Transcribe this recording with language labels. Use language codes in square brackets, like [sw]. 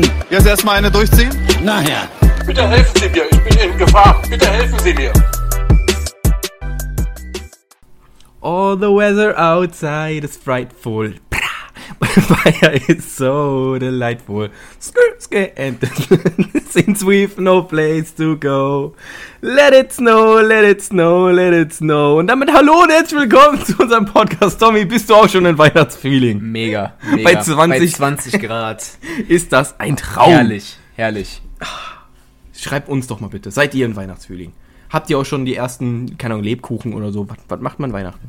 [de] Jetzt erstmal eine durchziehen? Na ja. Bitte helfen Sie mir, ich bin in Gefahr. Bitte helfen Sie mir. [en] All the weather outside is frightful. Bra! Fire is so delightful. Skr, skr, and since we've no place to go. Let it snow, let it snow, let it snow. [de] Und damit hallo und herzlich willkommen zu unserem Podcast. Tommy, bist du auch schon in Weihnachtsfeeling? Mega. Bei 20 Grad. Ist das ein Traum. Herrlich, herrlich. Schreibt uns doch mal bitte, seid ihr in Weihnachtsfeeling? Habt ihr auch schon die ersten, keine Ahnung, Lebkuchen oder so? Was macht man Weihnachten?